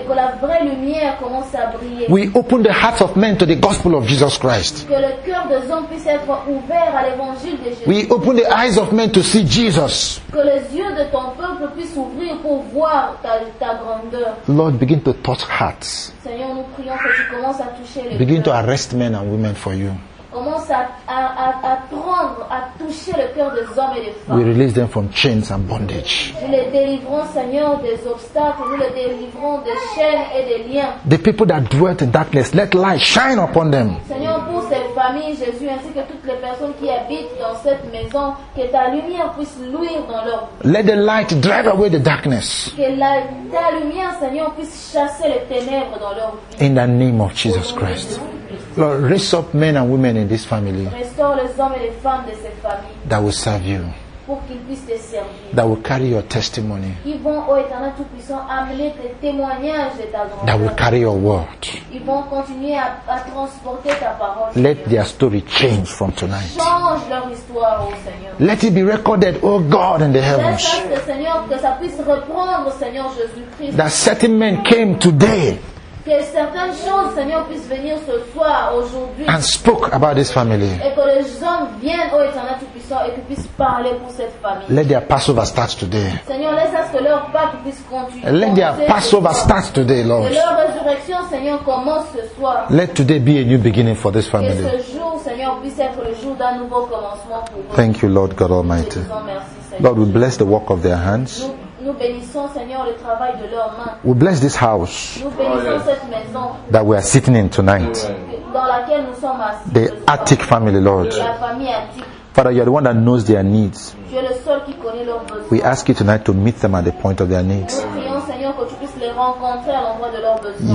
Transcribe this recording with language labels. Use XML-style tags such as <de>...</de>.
<fr>Et que la vraie lumière commence à briller.</fr> <en>We open the hearts of men to the gospel of Jesus Christ.</en> <fr>Que le cœur des hommes puisse être ouvert à l'évangile de Jésus.</fr> <en>We open the eyes of men to see Jesus.</en> <fr>Que les yeux de ton peuple puisse ouvrir pour voir ta grandeur.</fr> <en>Lord, begin to touch hearts.</en> <fr>Seigneur, nous prions que tu commences à toucher les</fr> <en>begin</en> <fr>cœurs.</fr> <en>To arrest men and women for you.</en> <fr>Commence à prendre, à toucher le cœur des hommes et des femmes.</fr> <en>We release them from chains and bondage.</en> <fr>Nous les délivrons, Seigneur, des obstacles. Nous les délivrons des chaînes et des liens.</fr> <en>The people that dwell in darkness, let light shine upon them.</en> <fr>Seigneur, pour ces familles, Jésus, ainsi que toutes les personnes qui habitent dans cette maison, que ta lumière puisse luire dans leur vie.</fr> <en>Let the light drive away the darkness.</en> <fr>Que ta lumière, Seigneur, puisse chasser les ténèbres dans leur vie.</fr> <en>In the name of Jesus Christ. Lord, raise up men and women in this family.</en> <fr>Restore les hommes et les femmes de cette famille.</fr> <en>That will serve you.</en> <fr>Pour qu'ils puissent te servir.</fr> <en>That will carry your testimony.</en> <fr>Ils vont au Éternel Tout-Puissant amener tes témoignages de ta grandeur.</fr> <en>That will carry your word.</en> <fr>Ils vont continuer à transporter ta parole.</fr> <en>Let their story change from tonight.</en> <fr>Change leur histoire, oh Seigneur.</fr> <en>Let it be recorded, oh God, in the heavens.</en> <fr>Laisse le Seigneur que ça puisse reprendre, Seigneur Jésus-Christ.</fr> <en>That certain men came today.</en> <fr>Que certaines choses, Seigneur, puissent venir ce soir, aujourd'hui.</fr> <en>And spoke about this family.</en> <fr>Et que les hommes viennent au Éternel Tout-Puissant et qu'ils puissent parler pour cette famille.</fr> <en>Let their Passover start today.</en> <fr>Seigneur, laisse à ce que leur Pâque puisse continuer.</fr> <en>Let their Passover start today, Lord.</en> <fr>Que leur résurrection, Seigneur, commence ce soir.</fr> <en>Let today be a new beginning for this family.</en> <fr>Que ce jour, Seigneur, puisse être le jour d'un nouveau commencement pour eux.</fr> <en>Thank you, Lord God Almighty. Lord, we bless the work of their hands.</en> <fr>Nous bénissons, Seigneur, le travail de leurs mains.</fr> <en>We bless this house.</en> <fr>Nous bénissons cette maison.</fr> <en>That we are sitting in tonight.</en> <fr>Dans laquelle nous sommes assis.</fr> <en>The Attic family, Lord.</en> <fr>La famille Attic.</fr> <en>Father, you are the one that knows their needs.</en> <fr>Tu es le seul qui connaît leurs besoins.</fr> <en>We ask you tonight to meet them at the point of their needs.</en> <fr>Nous prions, Seigneur, que tu puisses les rencontrer à l'endroit de leurs besoins.</fr>